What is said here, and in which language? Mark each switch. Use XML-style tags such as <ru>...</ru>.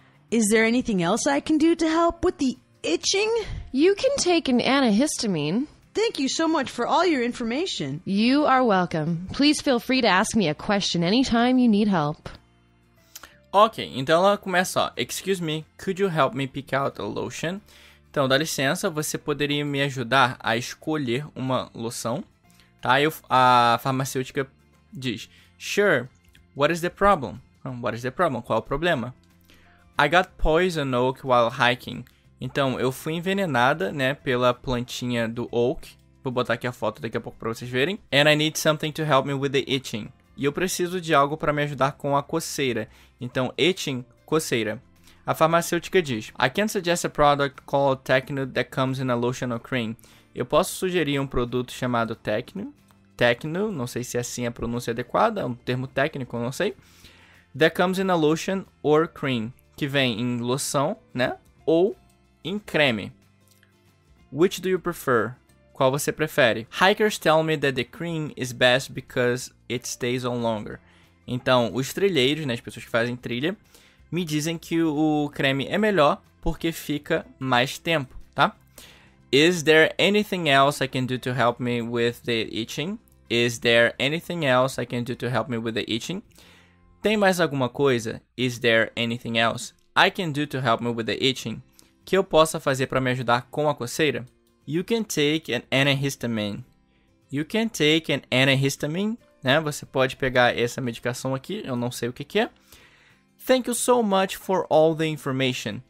<en>Is there anything else I can do to help with the itching? You can take an antihistamine. Thank you so much for all your information. You are welcome. Please feel free to ask me a question anytime you need help.</en> <pt>Ok, então ela começa, ó.</pt> <en>Excuse me, could you help me pick out a lotion?</en> <pt>Então, dá licença, você poderia me ajudar a escolher uma loção? Tá? E a farmacêutica diz,</pt> <en>sure, what is the problem? What is the problem?</en> <pt>Qual é o problema?</pt> <en>I got poison oak while hiking.</en> <pt>Então, eu fui envenenada, né, pela plantinha do oak. Vou botar aqui a foto daqui a pouco pra vocês verem.</pt> <en>And I need something to help me with the itching.</en> <pt>E eu preciso de algo pra me ajudar com a coceira. Então, itching, coceira. A farmacêutica diz,</pt> <en>I can suggest a product called Tecnu that comes in a lotion or cream.</en> <pt>Eu posso sugerir um produto chamado Tecnu. Tecnu, não sei se é assim a pronúncia adequada, é um termo técnico, não sei.</pt> <en>That comes in a lotion or cream.</en> <pt>Que vem em loção, né, ou em creme.</pt> <en>Which do you prefer?</en> <pt>Qual você prefere?</pt> <en>Hikers tell me that the cream is best because it stays on longer.</en> <pt>Então, os trilheiros, né, as pessoas que fazem trilha, me dizem que o creme é melhor porque fica mais tempo, tá?</pt> <en>Is there anything else I can do to help me with the itching? Is there anything else I can do to help me with the itching?</en> <pt>Tem mais alguma coisa?</pt> <en>Is there anything else I can do to help me with the itching?</en> <pt>Que eu possa fazer para me ajudar com a coceira?</pt> <en>You can take an antihistamine. You can take an antihistamine,</en> <pt>né? Você pode pegar essa medicação aqui, eu não sei o que é.</pt> <en>Thank you so much for all the information.</en>